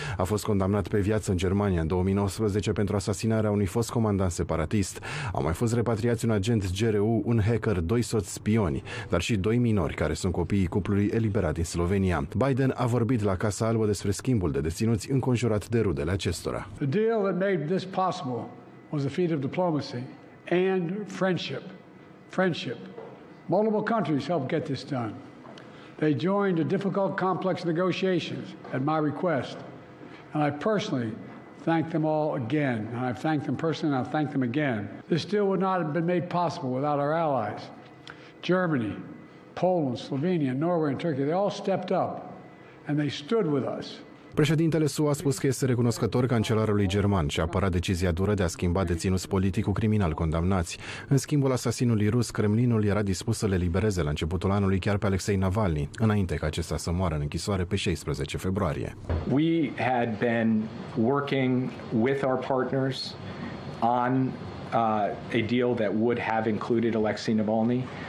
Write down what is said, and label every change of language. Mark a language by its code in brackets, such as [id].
[ro] A fost condamnat pe viață în Germania în 2019 pentru asasinarea unui fost comandant separatist. Au mai fost repatriați un agent GRU, un hacker, doi soți spioni, dar și doi minori care sunt copiii cuplului eliberat din Slovenia. Biden a vorbit la Casa Albă despre schimbul de deținuți înconjurat de rudele acestora. [en] The deal that made this possible was a feat of diplomacy and friendship. Friendship. Multiple countries helped get this done. They joined a difficult complex negotiations at my request. And I personally thank them all again, and I've thanked them personally, and I'll thank them again. This deal would not have been made possible without our allies. Germany, Poland, Slovenia, Norway, and Turkey, they all stepped up, and they stood with us. [ro] Președintele SUA a spus că este recunoscător cancelarului german și a apărat decizia dură de a schimba deținuți politic cu criminal condamnați. În schimbul asasinului rus, Kremlinul era dispus să le libereze la începutul anului chiar pe Alexei Navalny, înainte ca acesta să moară în închisoare pe 16 februarie. [en] We had been working with our partners on a deal that would have included Alexei Navalny.